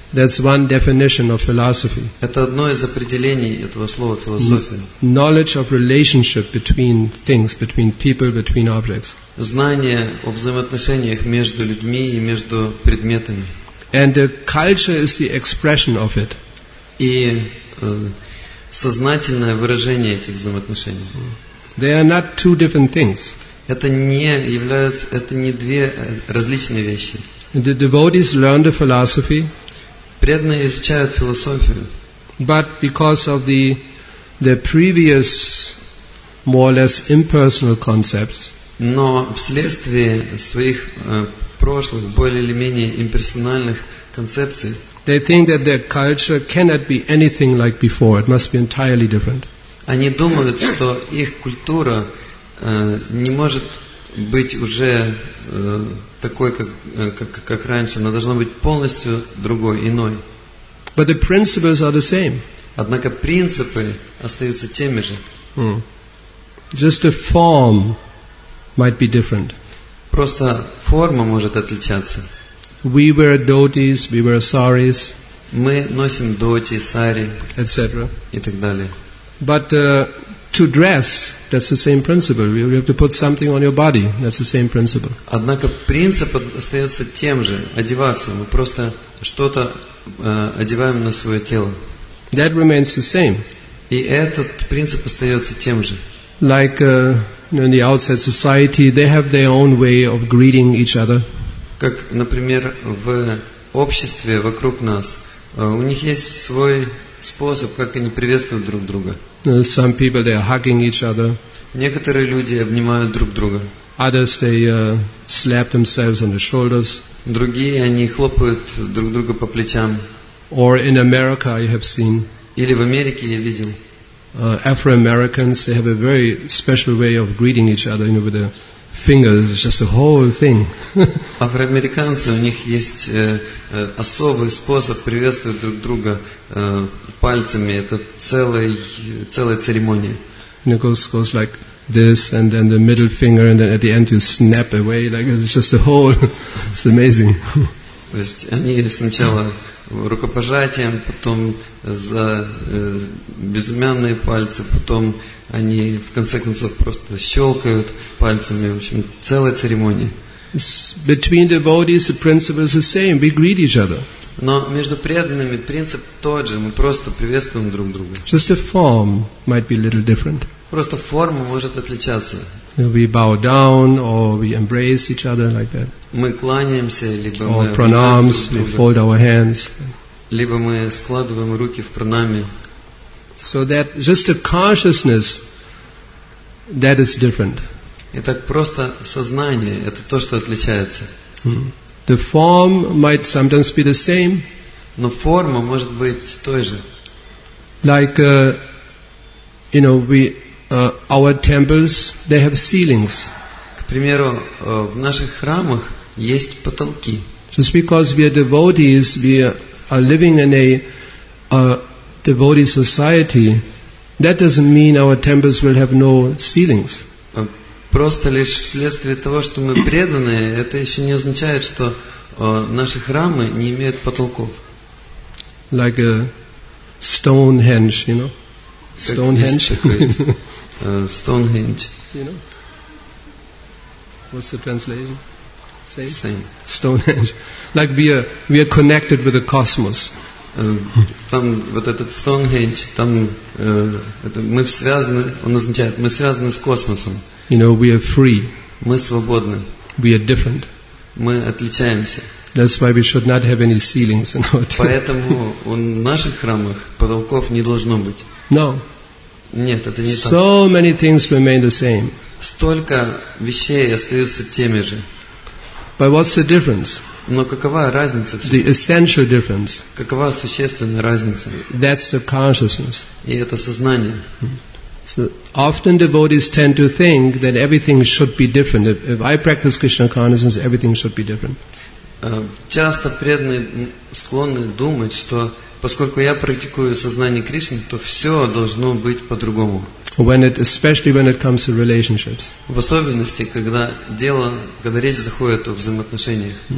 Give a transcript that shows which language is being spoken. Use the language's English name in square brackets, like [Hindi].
[English] That's one definition of philosophy. [Russian] Это одно из определений этого слова философия. [English] Knowledge of relationship between things, between people, between objects. [Russian] Знание о взаимоотношениях между людьми и между предметами. [English] And the culture is the expression of it. [Russian] И сознательное выражение этих взаимоотношений. [English] They are not two different things. [Russian] Это не две различные вещи. [English] The devotees learn the philosophy. [Russian] Преданные изучают философию. [English] But because of the previous more or less impersonal concepts. [Russian] Но вследствие своих прошлых более или менее имперсональных концепций. [English] They think that their culture cannot be anything like before. It must be entirely different. [Russian] Они думают, что их культура не может быть уже такой, как раньше. Она должна быть полностью другой, иной. [English] But the principles are the same. [Russian] Однако принципы остаются теми же. [English] Just the form might be different. [Russian] Просто форма может отличаться. [English] We wear dhotis, we wear saris. [Russian] Мы носим доти, сари, [English] etc. [Russian] И так далее. [English] But to dress, that's the same principle. You have to put something on your body. That's the same principle. [Russian] Однако принцип остается тем же. Одеваться. Мы просто что-то одеваем на свое тело. [English] That remains the same. [Russian] И этот принцип остается тем же. [English] Like in the outside society, they have their own way of greeting each other. [Russian] Как, например, в обществе вокруг нас, у них есть свой способ, как они приветствуют друг друга. [English] Some people they are hugging each other. [Russian] Некоторые люди обнимают друг друга. [English] Others they slap themselves on the shoulders. [Russian] Другие они хлопают друг друга по плечам. [English] Or in America I have seen. [Russian] Или в Америке я видел. [English] Afro-Americans they have a very special way of greeting each other, you know, with their fingers. It's just a whole thing. [Russian] Афроамериканцы у них есть особый способ приветствовать друг друга пальцами. Это целая церемония. [English] And it goes like this, and then the middle finger, and then at the end you snap away. Like it's just a whole. It's amazing. [Russian] То есть они сначала рукопожатием, потом за безымянные пальцы, потом они в конце концов просто щелкают пальцами. В общем, целая церемония. [English] Between devotees, the principle is the same. We greet each other. [Russian] Но между преданными принцип тот же. Мы просто приветствуем друг друга. [English] Just the form might be a little different. [Russian] Просто форма может отличаться. [English] We bow down or we embrace each other like that. [Russian] Мы кланяемся, либо [English] or [Russian] мы [English] pranams, [Russian] друг друга, [English] we fold our hands. [Russian] Либо мы складываем руки в пранаме. [English] So that just the consciousness that is different. [Russian] Итак, просто сознание это то, что отличается. [English] The form might sometimes be the same. [Russian] Но форма может быть той же. [English] Like you know, we our temples they have ceilings. [Russian] К примеру, в наших храмах есть потолки. [English] Just because we are devotees, we are living in a devotee society, that doesn't mean our temples will have no ceilings. [Russian] Просто лишь вследствие того, что мы преданные, это еще не означает, что наши храмы не имеют потолков. [English] Like a Stonehenge, you know? Stonehenge? Stonehenge. You know? What's the translation? Same. Stonehenge. Like we are connected with the cosmos. [Russian] Там вот этот Stonehenge, там это мы связаны, он означает, мы связаны с космосом. [English] You know, we are free. [Russian] Мы свободны. [English] We are different. [Russian] Мы отличаемся. [English] That's why we should not have any ceilings in our temple. [Russian] Поэтому в наших храмах потолков не должно быть. [English] No. [Russian] Нет, это не так. [English] So many things remain the same. [Russian] Столько вещей остаются теми же. [English] But what's the difference? [Russian] Но какова разница? [English] The essential difference. [Russian] Какова существенная разница? [English] That's the consciousness. [Russian] И это сознание. [English] So often devotees tend to think that everything should be different. If I practice Krishna consciousness, everything should be different. [Russian] Часто преданные склонны думать, что поскольку я практикую сознание Кришны, то все должно быть по-другому. [English] Especially when it comes to relationships. [Russian] В особенности, когда дело, когда речь заходит о взаимоотношениях.